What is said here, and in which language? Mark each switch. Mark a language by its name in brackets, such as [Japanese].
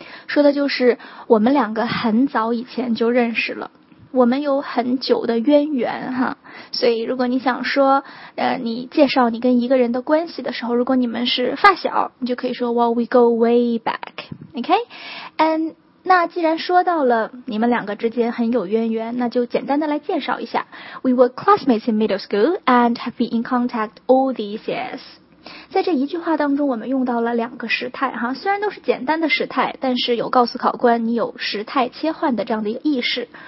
[Chinese] 说的就是我们两个很早以前就认识了，我们有很久的渊源哈。所以如果你想说你介绍你跟一个人的关系的时候，如果你们是发小，你就可以说 [English] well, we go way back， [Chinese] OK？ And 那既然说到了你们两个之间很有渊源，那就简单的来介绍一下。 [English] We were classmates in middle school and have been in contact all these years. [Chinese] 在这一句话当中，我们用到了两个时态哈，虽然都是简单的时态，但是有告诉考官你有时态切换的这样的一个意识。